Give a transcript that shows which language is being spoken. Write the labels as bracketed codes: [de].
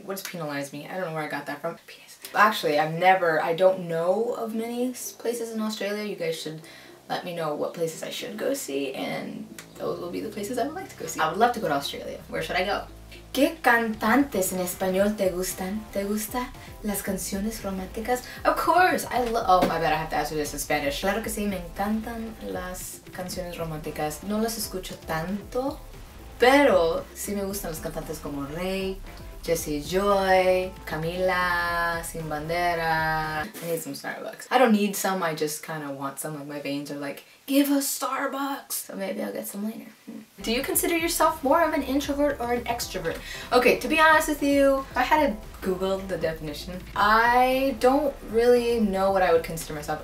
[en] Penalize me. I don't know where I got that from. Penis. Actually, I don't know of many places in Australia. You guys should let me know what places I should go see, and those will be the places I would like to go see. I would love to go to Australia. Where should I go? [es] ¿Qué cantantes en español te gustan? ¿Te gustan las canciones románticas? [en] Of course! Oh, my bad, I have to answer this in Spanish. [es] Claro que sí, me encantan las canciones románticas. No las escucho tanto, pero sí me gustan los cantantes como Rey, Jesse Joy, Camila, Sin Bandera. [en] I need some Starbucks. I don't need some, I just kind of want some. Like, my veins are like, give us Starbucks! So maybe I'll get some later. Do you consider yourself more of an introvert or an extrovert? Okay, to be honest with you, I had to Google the definition. I don't really know what I would consider myself.